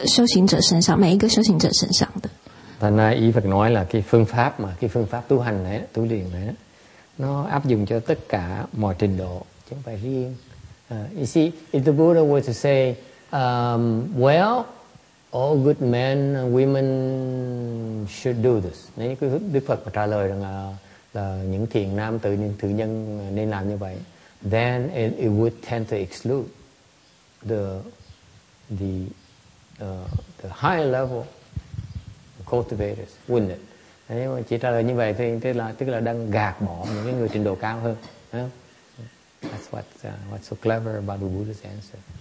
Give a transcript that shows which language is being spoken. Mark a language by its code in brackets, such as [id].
[zh] 因为同样的这个道理呢，是可以应用在不同的修行者身上，每一个修行者身上的。 [vi] Tại nay ý Phật nói là cái phương pháp tu hành này, tu luyện này, nó áp dụng cho tất cả mọi trình độ, chứ không phải riêng. [en] You see, if the Buddha were to say, well, all good men and women should do this. [vi] Nên Đức Phật trả lời rằng là những thiền nam tử, những thiền nhân nên làm như vậy. [en] Then it would tend to exclude the higher level cultivators, wouldn't it? [vi] Nếu mà chỉ trả lời như vậy thì tức là đang gạt bỏ những người trình độ cao hơn. [en] That's what's so clever about the Buddha's answer.